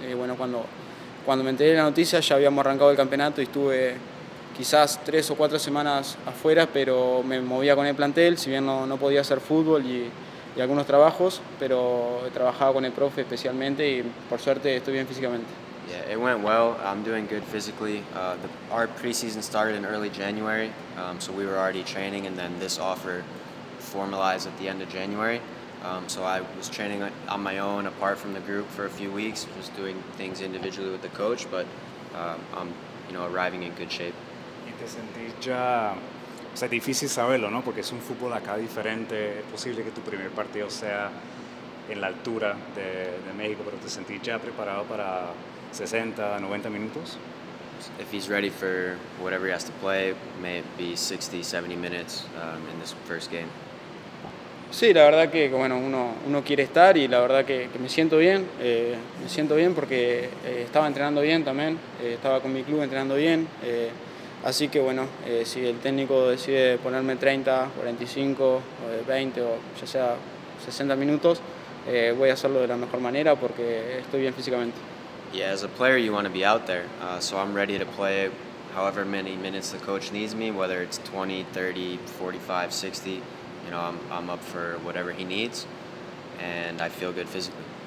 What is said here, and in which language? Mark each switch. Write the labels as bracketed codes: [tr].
[es] Bueno, cuando me enteré de la noticia ya habíamos arrancado el campeonato y estuve quizás 3 o 4 semanas afuera, pero me movía con el plantel, si bien no podía hacer fútbol y algunos trabajos, pero trabajaba con el profe especialmente y por suerte estoy bien físicamente. [en] Yeah, it went well. I'm doing good physically. Our preseason started in early January, so we were already training, and then this offer formalized at the end of January. So I was training on my own, apart from the group, for a few weeks, just doing things individually with the coach. But I'm, you know, arriving in good shape. [es] ¿Y te sentís ya? O sea, difícil saberlo, ¿no? Porque es un fútbol acá diferente. Es posible que tu primer partido sea en la altura de México, pero te sentís ya preparado para 60, 90 minutos? [en] If he's ready for whatever he has to play, maybe 60, 70 minutes in this first game. [es] Sí, la verdad que bueno, uno quiere estar y la verdad que me siento bien. Me siento bien porque estaba entrenando bien también. Estaba con mi club entrenando bien. Así que bueno, si el técnico decide ponerme 30, 45, 20 o ya sea 60 minutos, voy a hacerlo de la mejor manera porque estoy bien físicamente. [en] Yeah, as a player, you want to be out there, so I'm ready to play however many minutes the coach needs me, whether it's 20, 30, 45, 60, you know, I'm up for whatever he needs, and I feel good physically.